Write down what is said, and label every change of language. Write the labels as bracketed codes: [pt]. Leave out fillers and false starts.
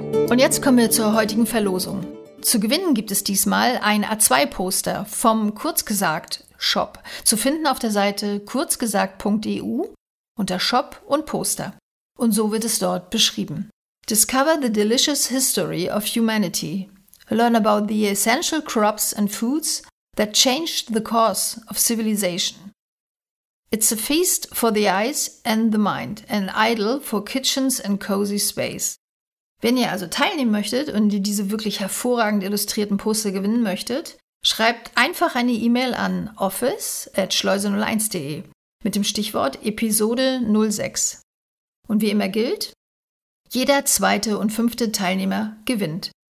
[de] Und jetzt kommen wir zur heutigen Verlosung. Zu gewinnen gibt es diesmal ein A2-Poster vom Kurzgesagt-Shop zu finden auf der Seite kurzgesagt.eu unter Shop und Poster. Und so wird es dort beschrieben. [en] Discover the delicious history of humanity. Learn about the essential crops and foods that changed the course of civilization. It's a feast for the eyes and the mind, an idol for kitchens and cozy space. [de] Wenn ihr also teilnehmen möchtet und ihr diese wirklich hervorragend illustrierten Poster gewinnen möchtet, schreibt einfach eine E-Mail an office@schleuse01.de mit dem Stichwort Episode 06. Und wie immer gilt, jeder zweite und fünfte Teilnehmer gewinnt.